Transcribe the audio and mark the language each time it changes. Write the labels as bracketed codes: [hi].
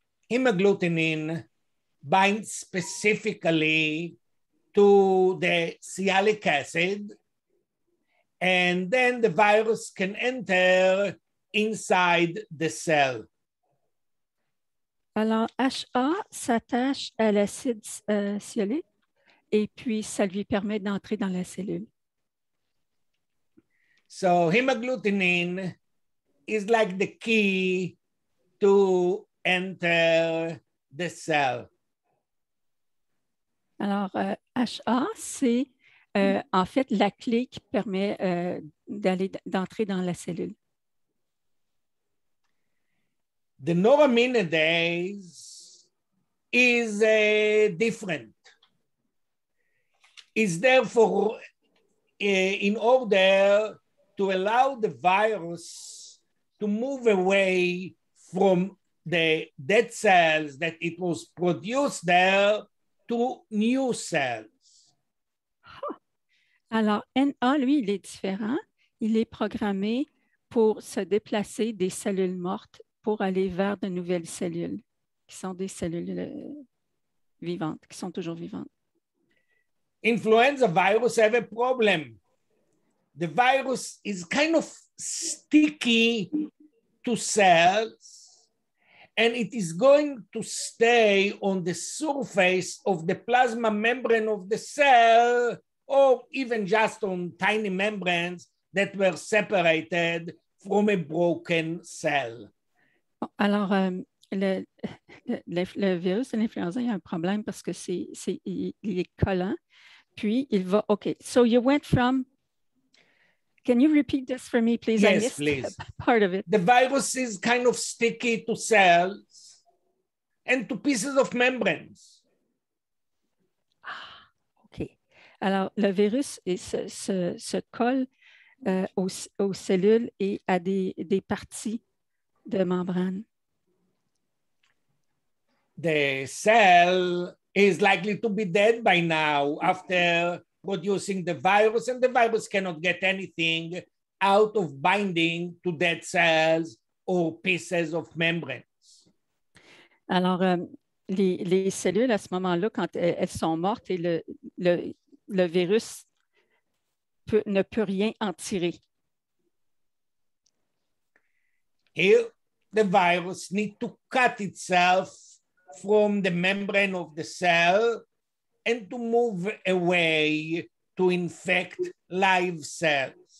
[en] Hemagglutinin binds specifically to the sialic acid, and then the virus can enter inside the cell. [fr] Alors, HA s'attache à l'acide sialique et puis ça lui permet d'entrer dans la cellule. [en] So, hemagglutinin is like the key to enter the cell. [fr] Alors, HA, c'est en fait la clé qui permet d'entrer dans la cellule. [en] The neuraminidase is different. It's therefore in order to allow the virus to move away from the dead cells that it was produced there to new cells. [fr] Alors, NA, lui, il est différent. Il est programmé pour se déplacer des cellules mortes pour aller vers de nouvelles cellules, qui sont des cellules vivantes, qui sont toujours vivantes. [en] Influenza virus have a problem. The virus is kind of sticky to cells, and it is going to stay on the surface of the plasma membrane of the cell, or even just on tiny membranes that were separated from a broken cell. [fr] Alors, le virus de l'influenza, il y a un problème parce que il est collant. Puis, il va... [en] OK, so you went from... Can you repeat this for me, please? Yes, please. Part of it. The virus is kind of sticky to cells and to pieces of membranes. OK. [fr] Alors, le virus se colle aux cellules et à des parties de membrane. [en] The cell is likely to be dead by now after producing the virus, and the virus cannot get anything out of binding to dead cells or pieces of membranes. [fr] Alors, les cellules, à ce moment-là, quand elles sont mortes, et le virus ne peut rien en tirer. [en] Here, the virus needs to cut itself from the membrane of the cell and to move away to infect live cells.